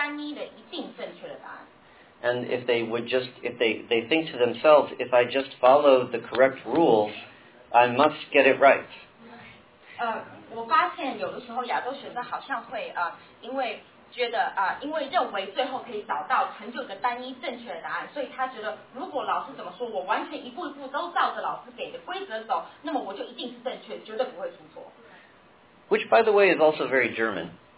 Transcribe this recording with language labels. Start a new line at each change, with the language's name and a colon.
Chinese: 但是也许在所有的亚洲，我所碰到亚洲学生的啊，跟美式的思考模式不一样的地方是，亚洲学生通常会觉得有一个单一的一定正确的答案。
English: And if they would just, if they think to themselves, if I just follow the correct rules, I must get it right.
Chinese: 我发现有的时候亚洲学生好像会啊，因为 觉得啊，因为认为最后可以找到成就的单一正确的答案，所以他觉得如果老师怎么说，我完全一步一步都照着老师给的规则走，那么我就一定是正确，绝对不会出错。
English: Which, by the way, is also very German.